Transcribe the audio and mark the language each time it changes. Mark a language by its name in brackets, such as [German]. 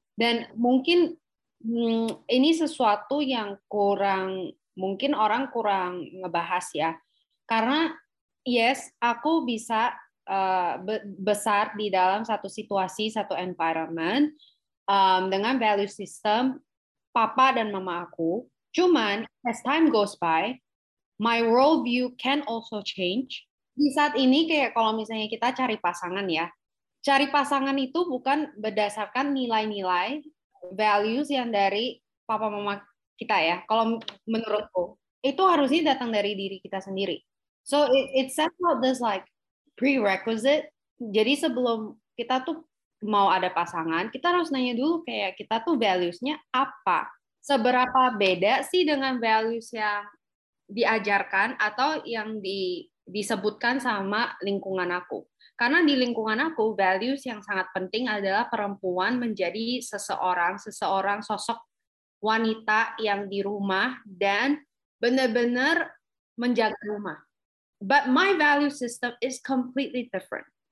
[Indonesian] Dan mungkin ini sesuatu yang kurang, mungkin orang kurang ngebahas ya. Karena yes, aku bisa besar di dalam satu situasi, satu environment dengan value system papa dan mama aku. [English] Cuman as time goes by, my worldview can also change. [Indonesian] Di saat ini kayak kalau misalnya kita cari pasangan ya, cari pasangan itu bukan berdasarkan nilai-nilai values yang dari papa mama kita ya. Kalau menurutku itu harusnya datang dari diri kita sendiri. [English] So it sets out this like prerequisite. [Indonesian] Jadi sebelum kita tuh mau ada pasangan, kita harus nanya dulu kayak kita tuh values-nya apa Seberapa beda sih dengan values yang diajarkan atau yang disebutkan sama lingkungan aku? Karena di lingkungan aku, values yang sangat penting adalah perempuan menjadi seseorang sosok wanita yang di rumah dan benar-benar menjaga rumah. [English] But my value system is completely different.